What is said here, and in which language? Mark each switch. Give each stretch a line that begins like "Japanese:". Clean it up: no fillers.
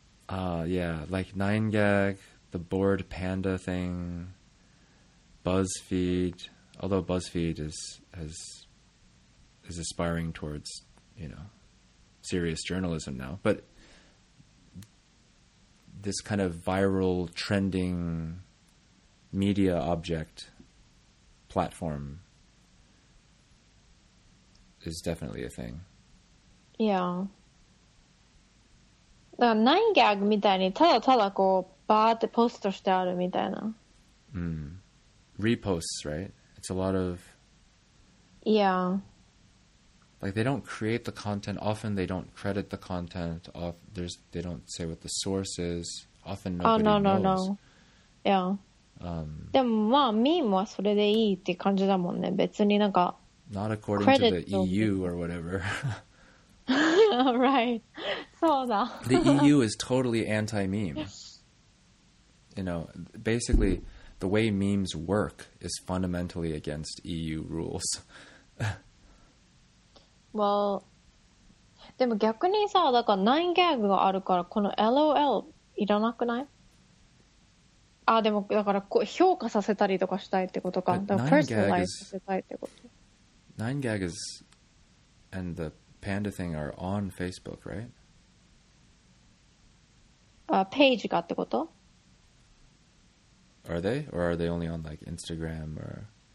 English: Yeah, like 9gag, the bored panda thing, BuzzFeed, although BuzzFeed is aspiring towards, you know, serious journalism now, but this kind of viral trending media object platform is definitely a thing. Yeah.
Japanese: だから9ギャグみたいにただただこうバーってポストしてあるみたいな。
English: Mm. Reposts, right? It's a lot of... Yeah. Like, they don't create the content. Often they don't credit the content. They don't say what the source is. Often nobody knows. No. Yeah.
Japanese: でもまあ、ミームはそれでいいって感じだもんね。別になんか
English: Not according to the EU or whatever. Right.
Japanese: そうだ。
English: The EU is totally anti-meme. You know, basically, the way memes work is fundamentally against EU rules.
Japanese: Well, でも逆にさ、だから9ギャグがあるから、この LOL いらなくない？あ、でもだから評価させたりとかしたいってことか。だから personalize させたいってこと。
English: 9ギャグ is and the panda thing are on Facebook, right?
Japanese: Page がってこと?
English: Are they? Or are they only on like Instagram or...